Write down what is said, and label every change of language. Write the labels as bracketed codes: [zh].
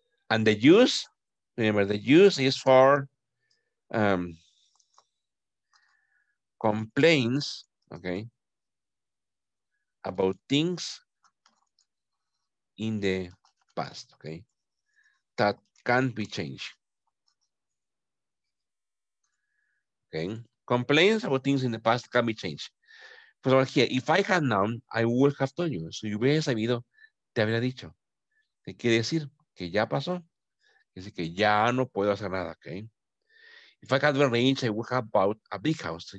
[en] And the use, remember, the use is for complaints, okay, about things in the past, okay, that can't be changed. Okay, Complaints about things in the past can be changed. [es] Pues ahora aquí, [en] if I had known, I would have told you. [es] Si hubiera sabido, te habría dicho. ¿Qué quiere decir? Que ya pasó. Es decir, que ya no puedo hacer nada, ¿ok? [en] If I had been rich, I would have bought a big house.